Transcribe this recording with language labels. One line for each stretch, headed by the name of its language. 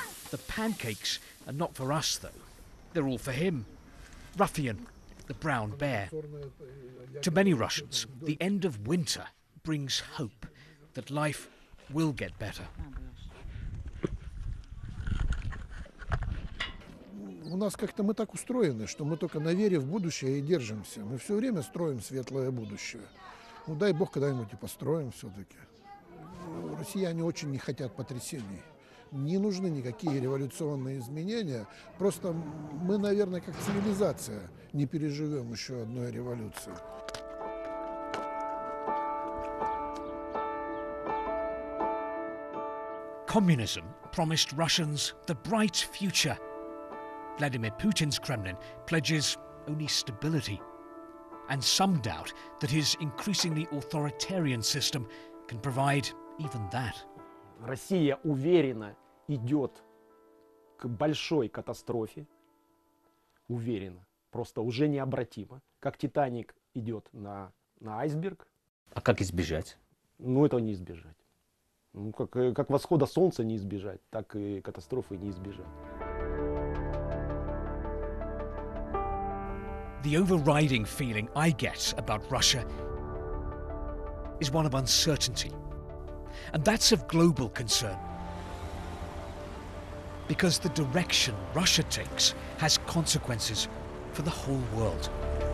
English: The pancakes are not for us, though. They're all for him. Ruffian, the brown bear. To many Russians, the end of winter brings hope that life will get better.
Russian: У нас как-то мы так устроены, что мы только на вере в будущее и держимся. Мы все время строим светлое будущее. Ну дай бог, когда-нибудь и построим все-таки. Россияне очень не хотят потрясений. Не нужны никакие революционные изменения. Просто мы, наверное, как цивилизация не переживем еще одной революции.
English: Communism promised Russians the bright future. Vladimir Putin's Kremlin pledges only stability. And some doubt that his increasingly authoritarian system can provide even that.
Russian: Россия уверена идет к большой катастрофе. Уверена. Просто уже необратимо. Как Титаник идет на айсберг. А как избежать? Ну, этого не избежать. Ну, как восхода солнца не избежать, так и катастрофы не избежать.
English: The overriding feeling I get about Russia is one of uncertainty. And that's of global concern. Because the direction Russia takes has consequences for the whole world.